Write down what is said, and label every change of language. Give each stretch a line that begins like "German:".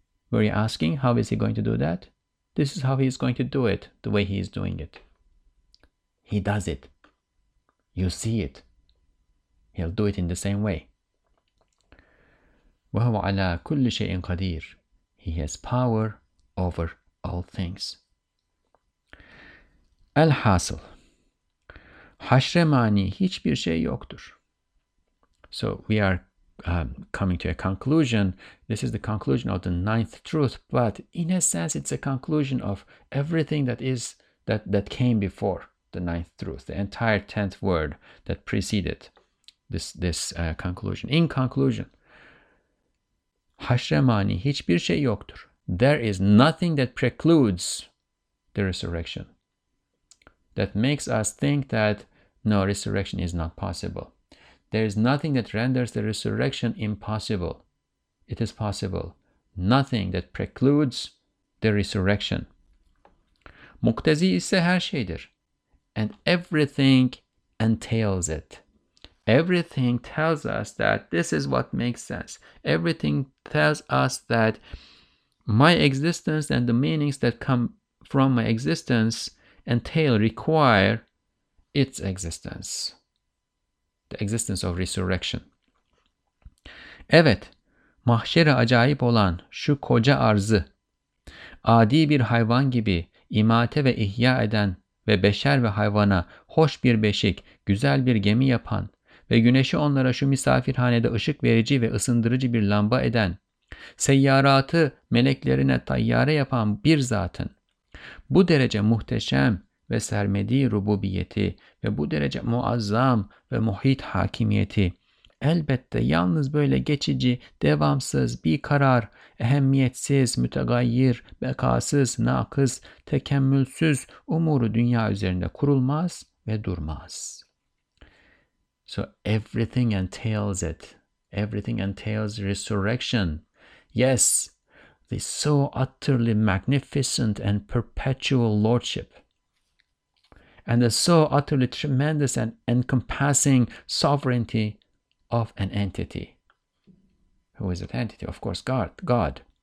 English: Were you asking how is he going to do that? This is how he is going to do it, the way he is doing it. He does it. You see it. He'll do it in the same way.
Arabic: وَهُوَ عَلَىٰ كُلِّ شَيْءٍ قَدِيرٍ.
English: He has power over all things.
Turkish: Elhasıl, haşre mani hiçbir şey yoktur.
English: So we are coming to a conclusion. This is the conclusion of the ninth truth, but in a sense, it's a conclusion of everything that came before the ninth truth, the entire tenth word that preceded this conclusion. In conclusion,
Turkish: Haşre mani hiçbir şey yoktur.
English: There is nothing that precludes the resurrection. That makes us think that no, resurrection is not possible. There is nothing that renders the resurrection impossible. It is possible. Nothing that precludes the resurrection.
Turkish: Muktezi ise her şeydir.
English: And everything entails it. Everything tells us that this is what makes sense. Everything tells us that my existence and the meanings that come from my existence entail, require its existence. The existence of resurrection.
Turkish: Evet, mahşere acayip olan şu koca arzı, adi bir hayvan gibi imate ve ihya eden ve beşer ve hayvana hoş bir beşik, güzel bir gemi yapan ve güneşi onlara şu misafirhanede ışık verici ve ısındırıcı bir lamba eden, seyyaratı meleklerine tayyare yapan bir zatın, bu derece muhteşem ve sermedi rububiyeti ve bu derece muazzam ve muhit hakimiyeti, elbette yalnız böyle geçici, devamsız, bir karar, ehemmiyetsiz, mütegayyir, bekasız, nakız, tekemmülsüz umuru dünya üzerinde kurulmaz ve durmaz.
English: So everything entails it. Everything entails resurrection. Yes, the so utterly magnificent and perpetual lordship. And the so utterly tremendous and encompassing sovereignty of an entity. Who is that entity? Of course, God. God.